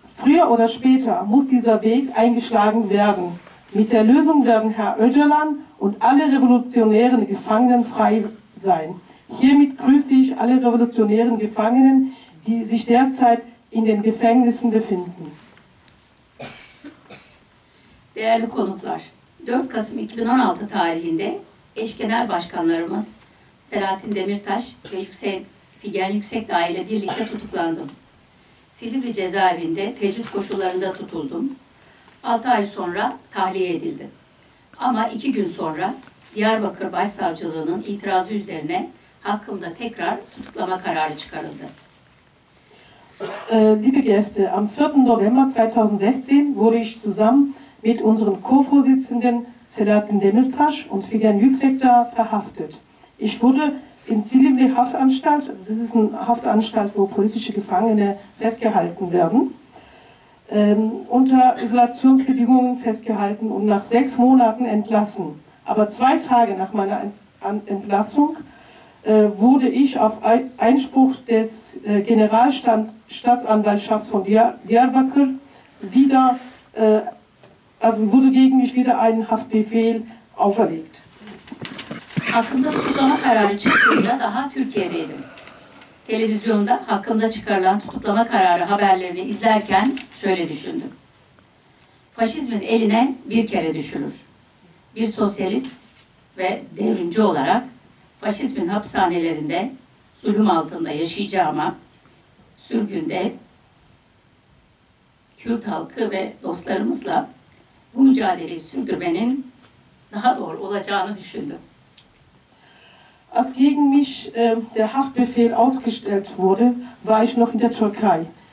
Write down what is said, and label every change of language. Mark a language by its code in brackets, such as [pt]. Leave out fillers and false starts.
[de] Früher oder später muss dieser Weg eingeschlagen werden. Mit der Lösung werden Herr Öcalan und alle revolutionären Gefangenen frei sein. Hiermit grüße ich alle revolutionären Gefangenen, die sich derzeit in den Gefängnissen befinden. [tr] Değerli konuklar, 4 Kasım 2016 tarihinde eş genel başkanlarımız Selahattin Demirtaş ve Figen Yüksekdağ ile birlikte tutuklandım. Silivri cezaevinde tecrit koşullarında tutuldum. 6 ay sonra tahliye edildi. Ama 2 gün sonra Diyarbakır Başsavcılığı'nın itirazı üzerine hakkımda tekrar tutuklama kararı çıkarıldı. [de] Liebe Gäste, am 4. November 2016 wurde ich zusammen mit unseren Co-Vorsitzenden Selahattin Demirtaş und Figen Yüksekdağ verhaftet. Ich wurde in Silivri Haftanstalt, das ist eine Haftanstalt, wo politische Gefangene festgehalten werden, unter Isolationsbedingungen festgehalten und nach 6 Monaten entlassen. Aber 2 Tage nach meiner Entlassung wurde ich auf Einspruch des Generalstaatsanwaltschafts von Diyarbakır wieder, wurde gegen mich wieder ein Haftbefehl auferlegt. [tr] Hakkımda tutuklama kararı çıktığında daha Türkiye'deydim. Televizyonda hakkımda çıkarılan tutuklama kararı haberlerini izlerken şöyle düşündüm. Faşizmin eline bir kere düşülür. Bir sosyalist ve devrimci olarak faşizmin hapishanelerinde zulüm altında yaşayacağıma sürgünde Kürt halkı ve dostlarımızla bu mücadeleyi sürdürmenin daha doğru olacağını düşündüm. [de] Als gegen mich der Haftbefehl ausgestellt wurde, war ich noch in der Türkei.